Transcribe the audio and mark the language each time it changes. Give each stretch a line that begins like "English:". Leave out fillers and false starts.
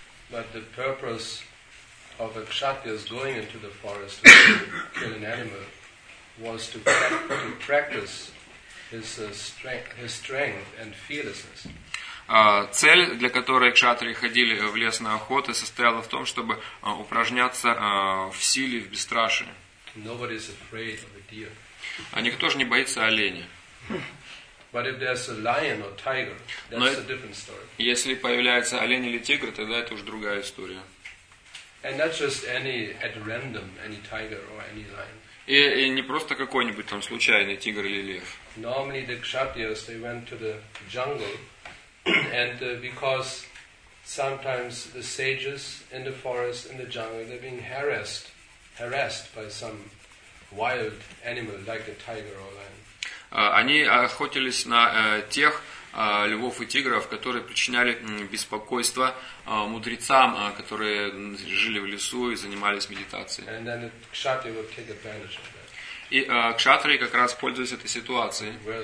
English: But the purpose of a kshatriya's going into the forest to kill an animal was to practice his strength and fearlessness.
Russian: Цель, для которой кшатрии ходили в лес на охоту, состояла в том, чтобы упражняться в силе, в бесстрашии.
English: Nobody is afraid of a deer.
Russian: Никто же не боится оленя.
English: But if there's a lion or tiger, that's a different story.
Russian: Если появляется олень или тигр, тогда это уже другая история.
English: And not just any at random, any tiger or any lion.
Russian: И не просто какой-нибудь там случайный тигр или лев.
English: Normally the kshatriyas, they went to the jungle. And because sometimes the sages in the forest, in the jungle, they're being harassed by some wild animal like a tiger or lion.
Russian: Они охотились на тех львов и тигров, которые причиняли беспокойство мудрецам, которые жили в лесу и занимались медитацией.
English: And then the kshatriya would take advantage of that.
Russian: И кшатрии как раз пользуются этой ситуацией.